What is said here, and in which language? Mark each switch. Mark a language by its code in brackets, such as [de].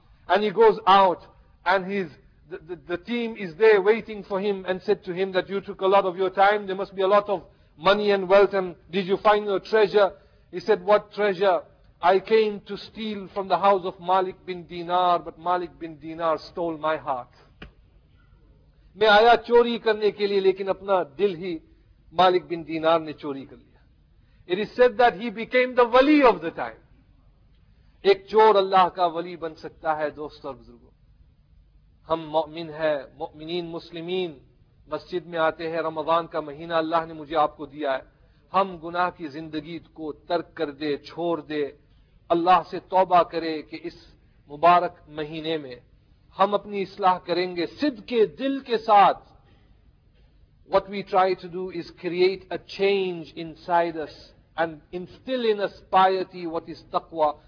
[en] And he goes out and the team is there waiting for him and said to him that you took a lot of your time. There must be a lot of money and wealth. And did you find your treasure? He said, what treasure? I came to steal from the house of Malik bin Dinar, but Malik bin Dinar stole my heart. [ur] میں آیا چوری کرنے کے لیے، لیکن اپنا دل ہی مالک بن دینار نے چوری کر لیا. [en] It is said that he became the wali of the time. [ur] ایک چور اللہ کا ولی بن سکتا ہے؟ دوست اور بزرگوں، ہم مؤمن ہیں، مؤمنین مسلمین مسجد میں آتے ہیں، رمضان کا مہینہ اللہ نے مجھے آپ کو دیا ہے. ہم گناہ کی زندگی کو ترک کر دے، چھوڑ دے، اللہ سے توبہ کرے کہ اس مبارک مہینے میں ہم اپنی اصلاح کریں گے صدق دل کے ساتھ. [en] What we try to do is create a change inside us and instill in us piety, what is taqwa.